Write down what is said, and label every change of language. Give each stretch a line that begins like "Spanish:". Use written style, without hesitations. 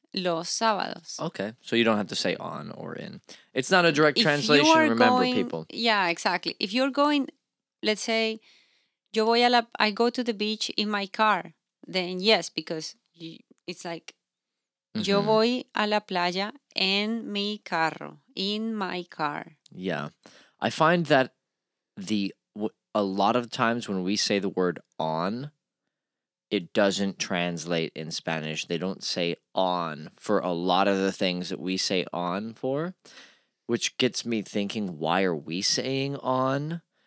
Spanish: Los sábados.
English: Okay, so you don't have to say on or in. It's not a direct translation, people. Yeah, exactly. If you're going, let's say, I go to the beach in my car, then yes, because it's like, mm-hmm.
Spanish: Yo voy a la playa en mi carro,
English: in my car. Yeah, I find that a lot of times when we say the word on, it doesn't translate in Spanish. They don't say on for a lot of the things that we say on for, which gets me thinking, why are we saying on?